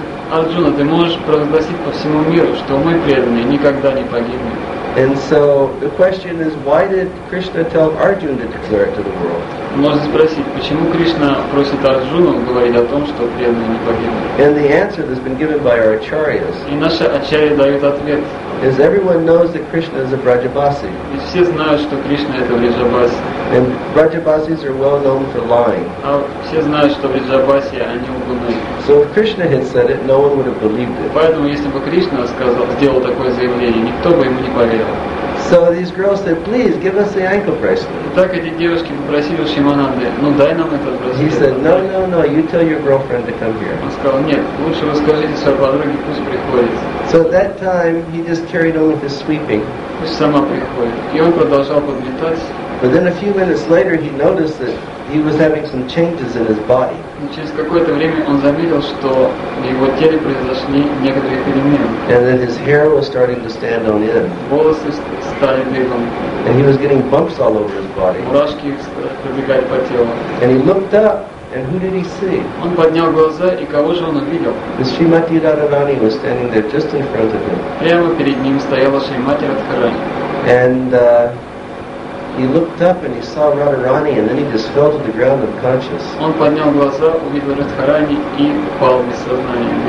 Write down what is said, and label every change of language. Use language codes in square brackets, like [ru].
[ru] Arjuna, ты можешь провозгласить по всему миру, что мой преданный никогда не погибнет. [en] And so the question is, why did Krishna tell Arjuna to declare it to the world? [ru] Можно спросить, почему Кришна просит Арджуну говорить о том, что преданные не погибнут? [en] And the answer that's been given by our acharyas. [ru] И наши ачарьи дают ответ. [en] Is everyone knows that Krishna is a Brajabasi. [ru] И все знают, что Кришна это Вриджабаси. [en] And Brajabasis are well known for lying. [ru] А все знают, что Вриджабаси, они лгуны. [en] So if Krishna had said it, no one would have believed it. [ru] Поэтому если бы Кришна сделал такое заявление, никто бы ему не поверил. [en] So these girls said, please give us the ankle bracelet. [ru] Так эти девушки попросили у Шимананды, ну дай нам этот браслет. [en] He said, no, no, no, you tell your girlfriend to come here. [ru] Он сказал, нет, лучше вы скажите своей подруге, пусть приходит. [en] So at that time he just carried on with his sweeping. [ru] Пусть сама приходит. И он продолжал подметать. [en] But then a few minutes later he noticed that he was having some changes in his body. [ru] Через какое-то время он заметил, что в его теле произошли некоторые перемены. [en] And then his hair was starting to stand on end. [ru] Волосы стали дыбом. [en] And he was getting bumps all over his body. [ru] Мурашки пробегали по телу. [en] And he looked up, and who did he see? [ru] Он поднял глаза, и кого же он увидел? [en] The Shrimati Radharani was standing there just in front of him. [ru] Прямо перед ним стояла Шримати Радхарани. [en] And he looked up and he saw Radharani, and then he just fell to the ground unconscious. [ru] Он поднял глаза, увидел Радхарани и упал без сознания.